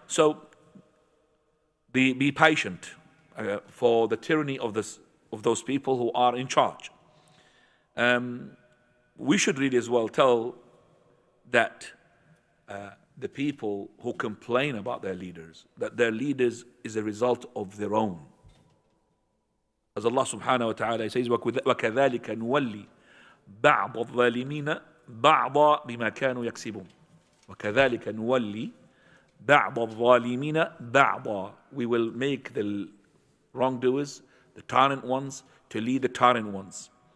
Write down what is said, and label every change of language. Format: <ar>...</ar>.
<en>So be patient for the tyranny of those people who are in charge. We should really as well tell that the people who complain about their leaders, that their leaders is a result of their own. As Allah subhanahu wa ta'ala says,</en> <ar>وَكَذَلِكَ نُوَلِّي بَعْضَ الظَّالِمِينَ بَعْضَ بِمَا كَانُوا يَكْسِبُونَ وَكَذَلِكَ نُوَلِّي بَعْضَ الظَّالِمِينَ بَعْضَ.</ar> <en>We will make the wrongdoers, the tyrant ones, to lead the tyrant ones.</en>